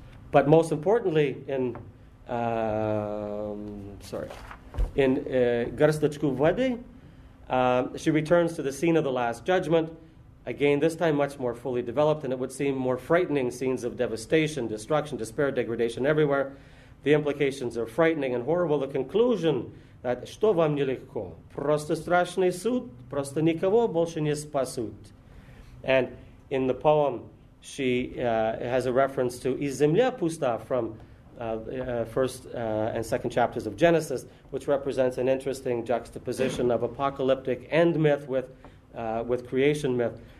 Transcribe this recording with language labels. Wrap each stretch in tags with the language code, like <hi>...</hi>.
<en>But most importantly, in Garstochku Vody, she returns to the scene of the Last Judgment, again, this time much more fully developed, and it would seem more frightening scenes of devastation, destruction, despair, degradation everywhere. The implications are frightening and horrible. The conclusion that</en> <ru>«Что вам нелегко? Просто страшный суд, просто никого больше не спасут».</ru> <en>And in the poem, she has a reference to</en> <ru>«И земля пуста»</ru> <en>from first and second chapters of Genesis, which represents an interesting juxtaposition of apocalyptic end myth with creation myth.</en>